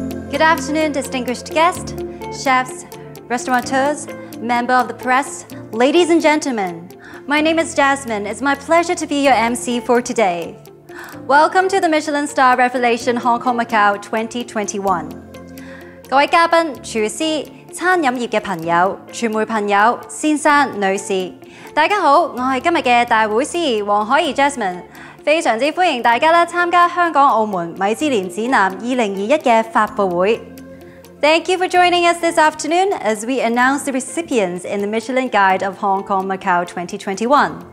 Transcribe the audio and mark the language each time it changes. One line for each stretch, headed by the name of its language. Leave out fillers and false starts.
English: Good afternoon, distinguished guests, chefs, restaurateurs, members of the press, ladies and gentlemen. My name is Jasmine. It's my pleasure to be your MC for today. Welcome to the Michelin Star Revelation Hong Kong Macau 2021.
Cantonese: 各位嘉賓、廚師、餐飲業嘅朋友、傳媒朋友、先生、女士，大家好，我係今日嘅大會司儀黃海怡 Jasmine， 非常之歡迎大家啦參加香港澳門米芝蓮指南2021嘅發布會。
English: Thank you for joining us this afternoon as we announce the recipients in the Michelin Guide of Hong Kong Macau 2021.